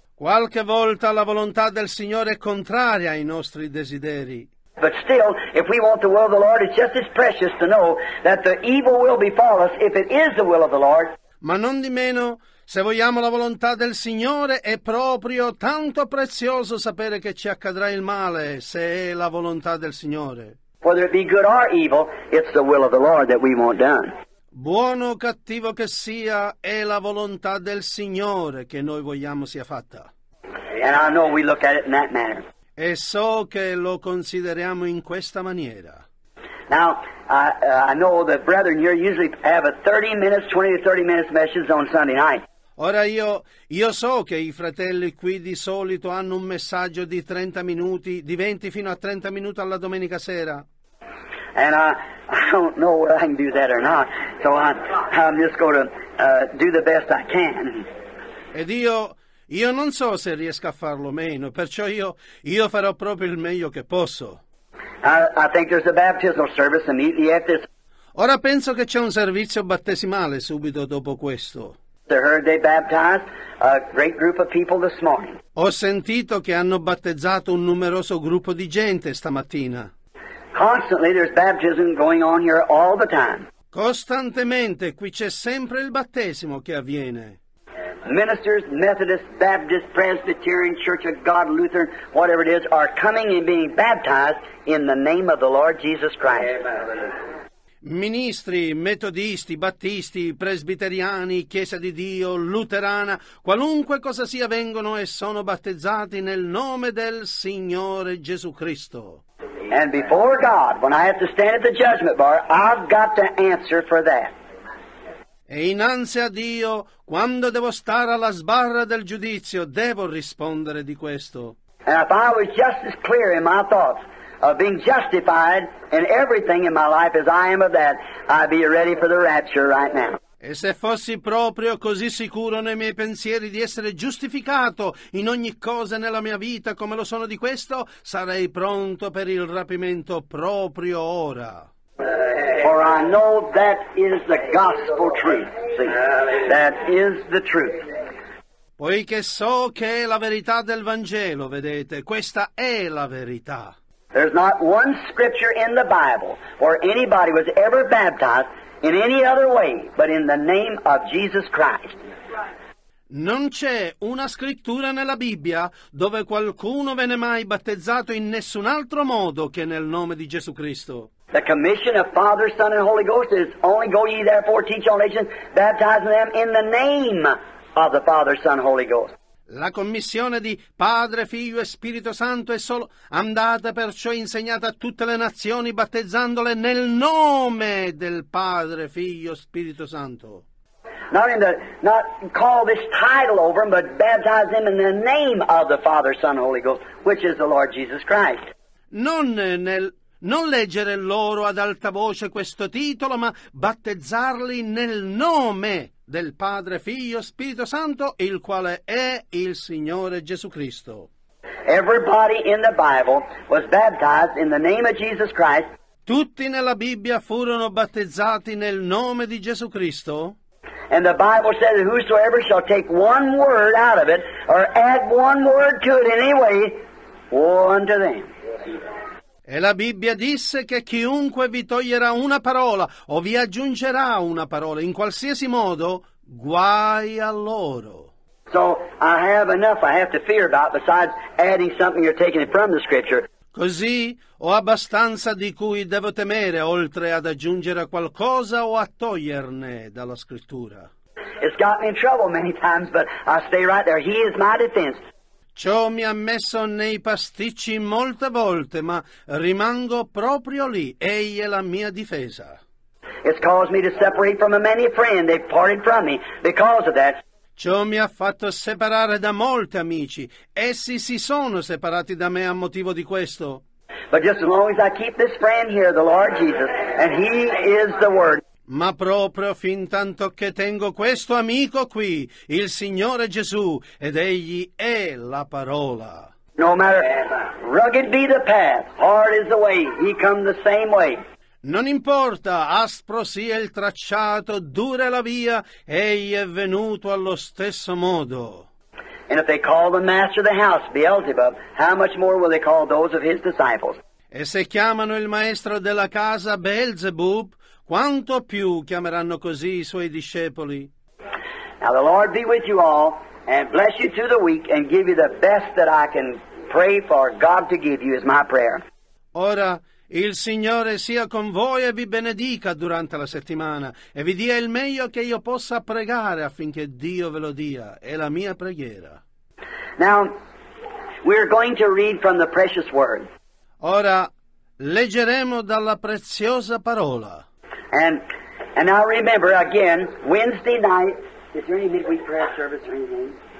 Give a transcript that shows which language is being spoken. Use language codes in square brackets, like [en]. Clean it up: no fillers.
[it] Qualche volta la volontà del Signore è contraria ai nostri desideri. [en] But still, if we want the will of the Lord, it's just as precious to know that the evil will befall us if it is the will of the Lord. [it] Ma non di meno, se vogliamo la volontà del Signore, è proprio tanto prezioso sapere che ci accadrà il male se è la volontà del Signore. [en] Whether it be good or evil, it's the will of the Lord that we want done. [it] Buono o cattivo che sia, è la volontà del Signore che noi vogliamo sia fatta. [en] And I know we look at it in that manner. [it] E so che lo consideriamo in questa maniera. [en] Now, I know that brethren here usually have a 30 minutes, 20 to 30 minutes message on Sunday night. [it] Ora io so che i fratelli qui di solito hanno un messaggio di 30 minuti, di 20 fino a 30 minuti alla domenica sera. [en] And I don't know whether I can do that or not, so I'm just going to do the best I can. [it] Ed io... Io non so se riesco a farlo meno, perciò io farò proprio il meglio che posso. [en] I think there's a baptismal service immediately after this. [it] Ora penso che c'è un servizio battesimale subito dopo questo. [en] They heard they baptized a great group of people this morning. [it] Ho sentito che hanno battezzato un numeroso gruppo di gente stamattina. [en] Constantly there's baptism going on here all the time. [it] Costantemente qui c'è sempre il battesimo che avviene. [en] Ministers, Methodist, Baptist, Presbyterian, Church of God, Lutheran, whatever it is, are coming and being baptized in the name of the Lord Jesus Christ. Amen. [it] Ministri, metodisti, battisti, presbiteriani, chiesa di Dio, luterana, qualunque cosa sia, vengono e sono battezzati nel nome del Signore Gesù Cristo. [en] And before God, when I have to stand at the judgment bar, I've got to answer for that. [it] E innanzi a Dio, quando devo stare alla sbarra del giudizio, devo rispondere di questo. [en] And if I was just as clear in my thoughts of being justified in everything in my life as I am of that, I'd be ready for the rapture right now. [it] E se fossi proprio così sicuro nei miei pensieri di essere giustificato in ogni cosa nella mia vita come lo sono di questo, sarei pronto per il rapimento proprio ora. [en] For I know that is the gospel truth. See, that is the truth. [it] Poiché so che è la verità del Vangelo, vedete, questa è la verità. [en] There's not one scripture in the Bible where anybody was ever baptized in any other way but in the name of Jesus Christ. [it] Non c'è una scrittura nella Bibbia dove qualcuno venne mai battezzato in nessun altro modo che nel nome di Gesù Cristo. [en] The commission of Father, Son, and Holy Ghost is only go ye therefore teach all nations, baptizing them in the name of the Father, Son, Holy Ghost. [it] La commissione di Padre, Figlio e Spirito Santo è solo andata perciò insegnata a tutte le nazioni battezzandole nel nome del Padre, Figlio e Spirito Santo. [en] Not call this title over them, but baptize them in the name of the Father, Son, Holy Ghost, which is the Lord Jesus Christ. [it] Non leggere loro ad alta voce questo titolo, ma battezzarli nel nome del Padre, Figlio, Spirito Santo, il quale è il Signore Gesù Cristo. [en] Everybody in the Bible was baptized in the name of Jesus Christ. [it] Tutti nella Bibbia furono battezzati nel nome di Gesù Cristo. [en] And the Bible says that whosoever shall take one word out of it, or add one word to it in any way, woe unto them. [it] E la Bibbia disse che chiunque vi toglierà una parola o vi aggiungerà una parola in qualsiasi modo, guai a loro. [en] So I have enough I have to fear about besides adding something you're taking from the scripture. [it] Così ho abbastanza di cui devo temere oltre ad aggiungere qualcosa o a toglierne dalla scrittura. [en] It's got me in trouble many times, but I stay right there. He is my defense. [it] Ciò mi ha messo nei pasticci molte volte, ma rimango proprio lì. Egli è la mia difesa. [en] It's caused me to separate from a many friends. They've parted from me because of that. [it] Ciò mi ha fatto separare da molti amici. Essi si sono separati da me a motivo di questo. [en] But just as long as I keep this friend here, the Lord Jesus, and He is the Word. [it] Ma proprio fin tanto che tengo questo amico qui, il Signore Gesù, ed egli è la parola. [en] No matter rugged be the path, hard is the way, he come the same way. [it] Non importa, aspro sia il tracciato, dura la via, egli è venuto allo stesso modo. [en] And if they call the master of the house Beelzebub, how much more will they call those of his disciples? [it] E se chiamano il maestro della casa Beelzebub, quanto più chiameranno così i suoi discepoli? [en] Now the Lord be with you all and bless you through the week and give you the best that I can pray for God to give you is my prayer. [it] Ora il Signore sia con voi e vi benedica durante la settimana e vi dia il meglio che io possa pregare affinché Dio ve lo dia. È la mia preghiera. [en] Now we're going to read from the precious word. [it] Ora leggeremo dalla preziosa parola. [en] And now remember again, Wednesday night, is there any midweek prayer service or anything?